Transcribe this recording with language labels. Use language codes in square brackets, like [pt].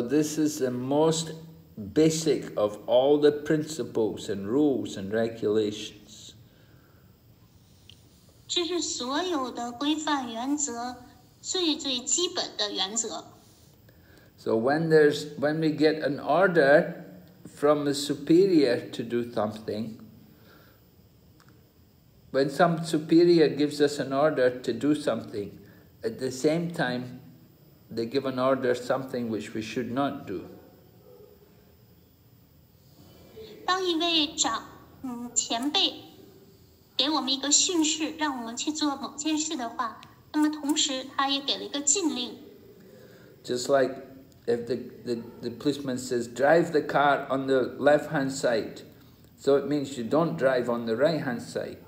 [en] this is the most basic of all the principles and rules and regulations. [zh] 这是所有的规范原则，最最基本的原则。 [en] So when we get an order from the superior to do something. When some superior gives us an order to do something, at the same time, they give an order something which we should not do. [zh] 当一位前辈给我们一个训示，让我们去做某件事的话，那么同时他也给了一个禁令。 [en] Just like if the policeman says, drive the car on the left-hand side. So it means you don't drive on the right-hand side.